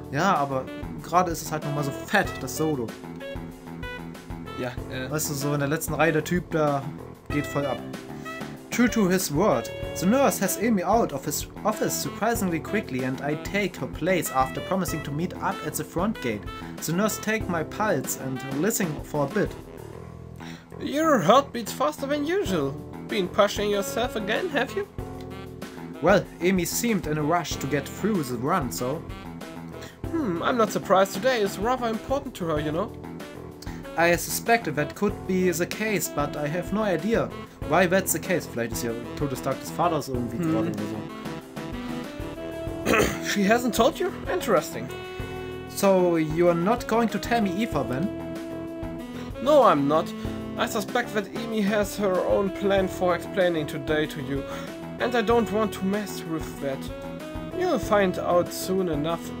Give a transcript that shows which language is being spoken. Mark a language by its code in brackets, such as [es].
[de] Ja, aber gerade ist es halt nochmal so fett, das Solo. Ja, Weißt du, so in der letzten Reihe der Typ, der geht voll ab. [en] True to his word, the nurse has Amy out of his office surprisingly quickly and I take her place after promising to meet up at the front gate. The nurse take my pulse and listen for a bit. Your heart beats faster than usual. Been pushing yourself again, have you? Well, Amy seemed in a rush to get through the run, so... I'm not surprised today. It's rather important to her, you know? I suspected that could be the case, but I have no idea why that's the case. [de] Vielleicht ist ja Tode Stark des Vaters irgendwie geworden oder so. [en] She hasn't told you? Interesting. So, you are not going to tell me Aoife, then? No, I'm not. I suspect that Amy has her own plan for explaining today to you. And I don't want to mess with that. You'll find out soon enough.